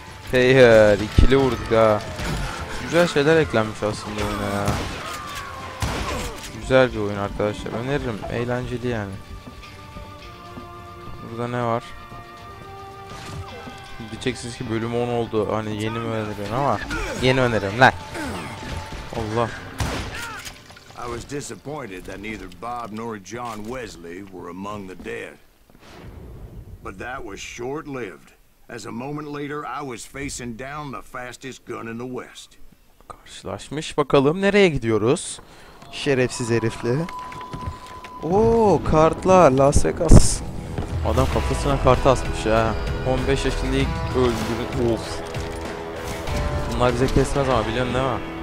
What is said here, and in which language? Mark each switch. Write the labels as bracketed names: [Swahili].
[Turkish] Hayır, ikili vurduk ha. Güzel şeyler eklenmiş aslında oyuna ya. Güzel bir oyun arkadaşlar. Öneririm. Eğlenceli yani. Burada ne var? Diyeceksiniz ki bölüm 10 oldu. Hani yeni mi öneriyorsun ama. Yeni öneririm lan. Allah. [English] I was disappointed that neither Bob nor John Wesley were among the dead. But that was short-lived, as a moment later I was facing down the fastest gun in the West. [Turkish] Karşılaşmış. Bakalım nereye gidiyoruz? Şerefsiz herifli. Oo, kartlar Las Vegas. Adam kafasına kartı asmış ya. 15 yaşında ilk öldürün. Of. Bunlar bize kesmez ama biliyorsun değil mi?